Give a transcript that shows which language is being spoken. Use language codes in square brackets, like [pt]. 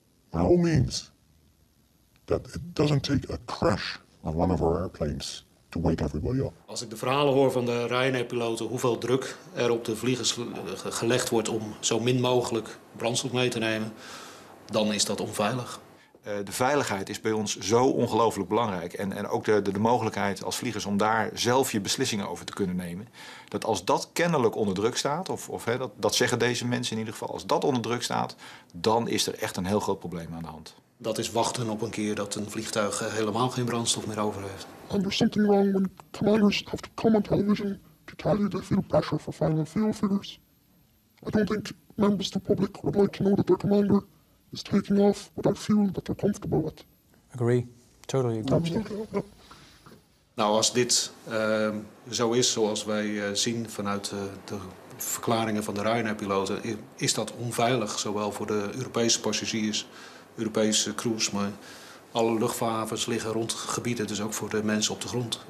[en] By all means, that it doesn't take a crash on one of our airplanes to wake everybody up. [nl] Als ik de verhalen hoor van de Ryanair-piloten, hoeveel druk er op de vliegers gelegd wordt om zo min mogelijk brandstof mee te nemen, dan is dat onveilig. De veiligheid is bij ons zo ongelooflijk belangrijk. En ook de mogelijkheid als vliegers om daar zelf je beslissingen over te kunnen nemen. Dat als dat kennelijk onder druk staat, dat zeggen deze mensen in ieder geval, als dat onder druk staat, dan is er echt een heel groot probleem aan de hand. Dat is wachten op een keer dat een vliegtuig helemaal geen brandstof meer over heeft. [en] And there's something wrong when commanders have to come on television to tell you they feel pressure for final fuel figures. I don't think members of the public would like to know that their commander is taking off without fuel that they're comfortable with. Agree. Totally agree. Absolutely. [nl] Nou, als dit zo is zoals wij zien vanuit de verklaringen van de Ryanair-piloten, is dat onveilig, zowel voor de Europese passagiers, Europese crews, maar alle luchthavens liggen rond gebieden, dus ook voor de mensen op de grond.